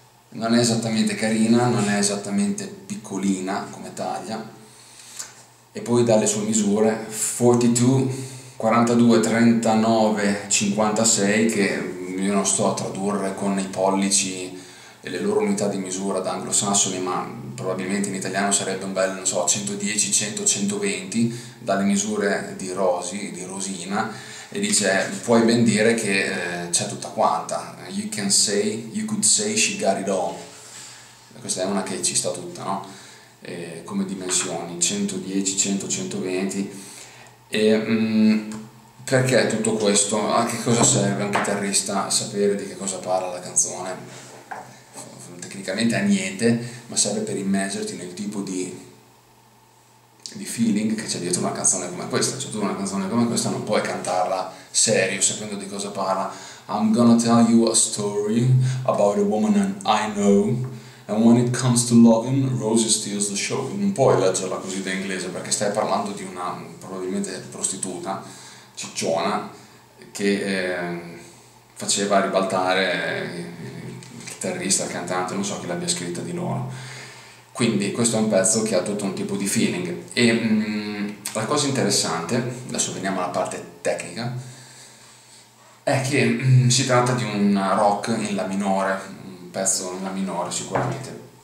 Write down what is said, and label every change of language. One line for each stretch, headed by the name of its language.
Italian: Non è esattamente carina, non è esattamente piccolina come taglia, e poi dalle sue misure 42, 42, 39, 56, che io non sto a tradurre con i pollici e le loro unità di misura da anglosassoni, ma probabilmente in italiano sarebbe un bel, non so, 110, 100, 120, dalle misure di Rosie, di Rosina, e dice: puoi ben dire che c'è tutta quanta.
English: You can say, you could say she got it all.
Italian: Questa è una che ci sta tutta, no? E come dimensioni, 110, 100, 120. E perché tutto questo? A che cosa serve a un chitarrista sapere di che cosa parla la canzone? Tecnicamente a niente, ma serve per immergerti nel tipo di feeling che c'è dietro una canzone come questa. Cioè tu una canzone come questa non puoi cantarla serio, sapendo di cosa parla.
English: I'm gonna tell you a story about a woman I know, and when it comes to loving, Rosie steals the show.
Italian: Non puoi leggerla così da inglese, perché stai parlando di una probabilmente prostituta cicciona che faceva ribaltare il cantante, non so chi l'abbia scritta di loro. Quindi questo è un pezzo che ha tutto un tipo di feeling. E la cosa interessante, adesso veniamo alla parte tecnica, è che si tratta di un rock in la minore, un pezzo in la minore sicuramente.